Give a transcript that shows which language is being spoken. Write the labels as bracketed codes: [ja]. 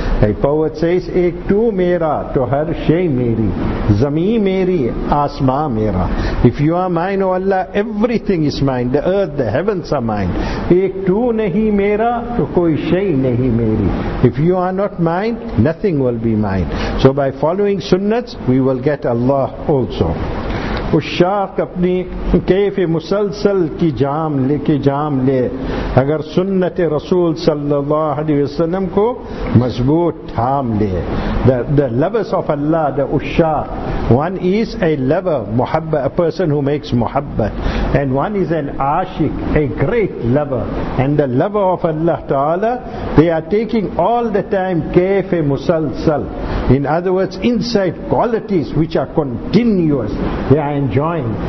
[en] A poet says, [ur] Ek tu mera to har shay meri, zameen meri, asma mera. [en] If you are mine, O Allah, everything is mine. The earth, the heavens are mine. [ur] Ek tu nahi mera to koi shay nahi meri. [en] If you are not mine, nothing will be mine. So by following sunnats, we will get Allah also. [ur] Ishaq اپنی کیف مسلسل کی جام لے کے جام لے. اگر سنت رسول صلی اللہ علیہ وسلم کو مضبوط تھام لے. [en] The lovers of Allah, the ushaq. One is a lover, muhabba, a person who makes muhabbat. And one is an ashik, a great lover. And the lover of Allah Ta'ala, they are taking all the time kayfe musalsal. In other words, inside qualities which are continuous, they are enjoying.